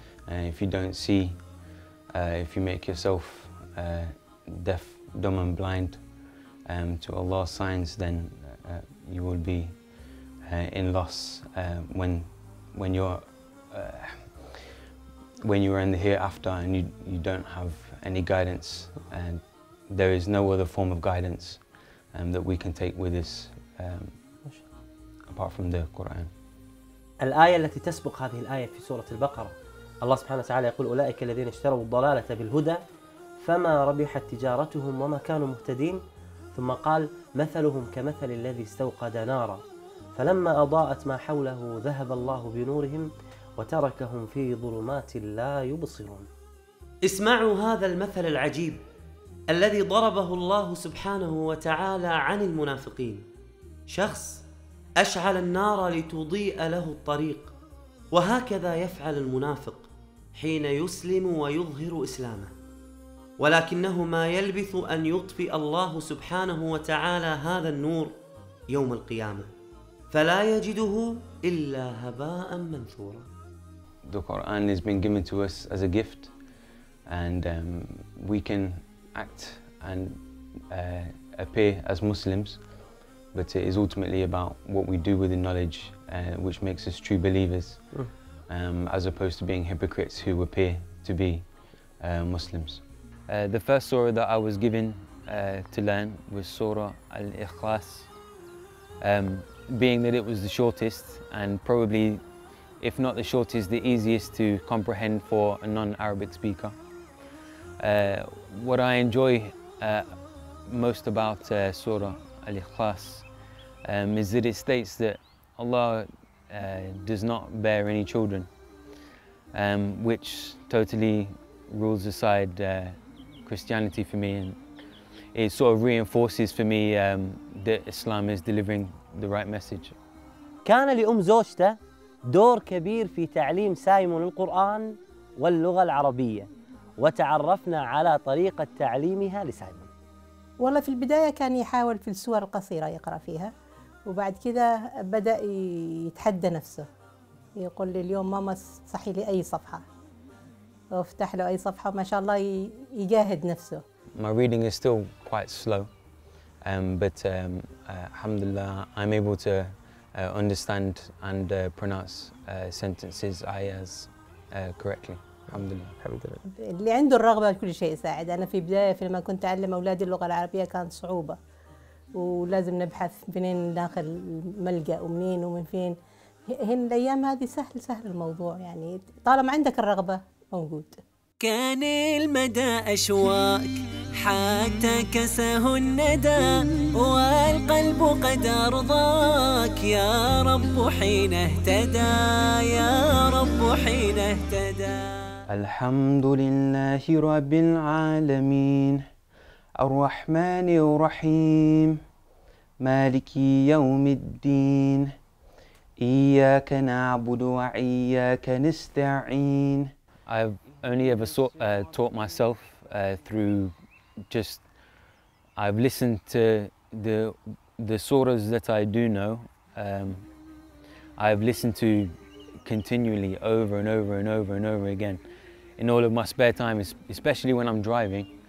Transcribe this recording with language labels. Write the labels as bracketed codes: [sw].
[en] And if you don't see, if you make yourself deaf, dumb and blind to Allah's signs, then you will be in loss when you're in the hereafter, and you don't have any guidance, and there is no other form of guidance that we can take with us apart from the Quran. [ar] الآية التي تسبق هذه الآية في سورة البقرة، الله سبحانه وتعالى يقول: أولئك الذين اشتروا الضلالة بالهدى فما ربحت تجارتهم وما كانوا مهتدين، ثم قال: مثلهم كمثل الذي استوقد نارا فلما أضاءت ما حوله ذهب الله بنورهم وتركهم في ظلمات لا يبصرون. اسمعوا هذا المثل العجيب الذي ضربه الله سبحانه وتعالى عن المنافقين، شخص أشعل النار لتضيء له الطريق، وهكذا يفعل المنافق حين يسلم ويظهر إسلامه، ولكنه ما يلبث أن يطفئ الله سبحانه وتعالى هذا النور يوم القيامة، فلا يجده إلا هباء منثورا. [en] The Quran has been given to us as a gift, and we can act and appear as Muslims, but it is ultimately about what we do with the knowledge which makes us true believers, as opposed to being hypocrites who appear to be Muslims. The first surah that I was given to learn was Surah Al-Ikhlas, being that it was the shortest and probably, if not the shortest, the easiest to comprehend for a non-Arabic speaker. What I enjoy most about Surah Al-Ikhlas is that it states that Allah does not bear any children, which totally rules aside Christianity for me, and it sort of reinforces for me that Islam is delivering the right message. [ar] كان لأم زوجته دور كبير في تعليم سايمون القرآن واللغة العربية، وتعرفنا على طريقة تعليمها لسايمون. والله في البداية كان يحاول في السور القصيرة يقرأ فيها، وبعد كذا بدأ يتحدى نفسه، يقول لي اليوم ماما صحي لي أي صفحة، وافتح له أي صفحة، ما شاء الله يجاهد نفسه. [en] My reading is still quite slow, but alhamdulillah, I'm able to understand and pronounce sentences, ayahs correctly. [ar] Alhamdulillah. اللي عنده الرغبة كل شيء يساعد. أنا في بداية لما كنت أعلم أولادي اللغة العربية كانت صعوبة، ولازم نبحث منين داخل ملجأ ومنين ومن فين. هن الأيام هذه سهل سهل الموضوع، يعني طالما عندك الرغبة موجود. كان المدى أشواك حتى كسه الندى، والقلب قد أرضاك يا رب حين اهتدى، يا رب حين اهتدى. الحمد لله رب العالمين، الرحمن الرحيم، مالك يوم الدين، إياك نعبد وإياك نستعين. [en] I've only ever taught myself through just, I've listened to the surahs that I do know. I've listened to continually over and over and over and over again in all of my spare time, especially when I'm driving.